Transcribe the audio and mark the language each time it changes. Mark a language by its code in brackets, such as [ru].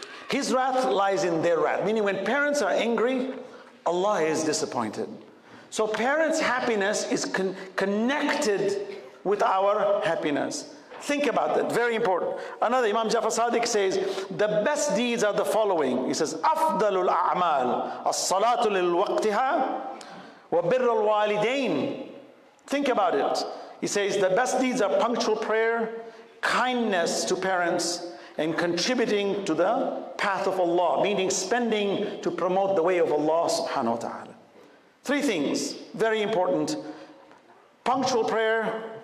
[en] His wrath lies in their wrath. Meaning when parents are angry, Allah is disappointed. So parents' happiness is connected with our happiness. Think about that. Very important. Another Imam Jafar Sadiq says, the best deeds are the following. He says, [ar] أفضل الأعمال الصلاة للوقتها وبر الوالدين. [en] Think about it. He says, the best deeds are punctual prayer, kindness to parents, and contributing to the path of Allah. Meaning spending to promote the way of Allah subhanahu wa ta'ala. Three things. Very important. Punctual prayer.